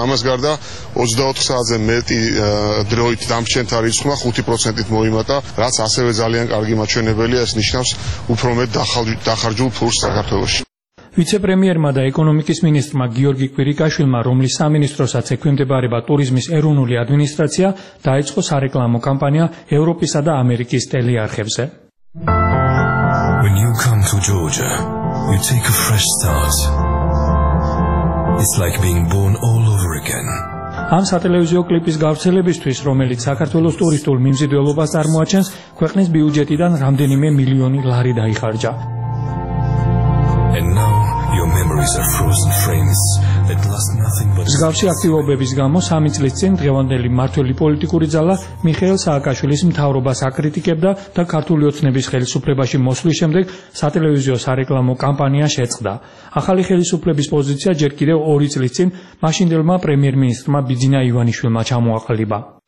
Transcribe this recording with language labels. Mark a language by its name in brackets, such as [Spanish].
[Georgian] ამას გარდა 24 საათზე მეტი დროით დამჩენთა რიცხვი 5%-ით მოიმატა, რაც ასევე ძალიან კარგი მაჩვენებელია, ეს ნიშნავს უფრო მეტ დახარჯულ ფულს საქართველოში. ვიცე-პრემიერმა და ეკონომიკის მინისტრმა გიორგი კვირიკაშვილმა, რომლის სამინისტროსაც ექვემდებარება ტურიზმის ეროვნული ადმინისტრაცია, დაიწყო სარეკლამო კამპანია ევროპისა და ამერიკის ტელეარხებზე. [English] When you come to Georgia, you take a fresh start. It's like being born all over again. [Georgian] ამ სატელევიზიო კლიპის გავრცელებისთვის, რომელიც საქართველოს ტურისტულ მიმზიდველობას წარმოაჩენს, ქვეყნის ბიუჯეტიდან რამდენიმე მილიონი ლარი დაიხარჯა. [English] And now your memories are frozen frames that last nothing but [Georgian] ზგავსი აქტივობების გამო 3 წლის წინ დღევანდელი მართველი პოლიტიკური ძალა მიხეილ სააკაშვილის მთავრობას აკრიტიკებდა და ქართული ოცნების ხელისუფლებაში მოსვლის შემდეგ სატელევიზიო სარეკლამო კამპანია შეწყდა. ახალი ხელისუფლების პოზიცია ჯერ კიდევ 2 წლის წინ მაშინდელმა პრემიერ-მინისტრმა ბიძინა ივანიშვილმა ჩამოაყალიბა.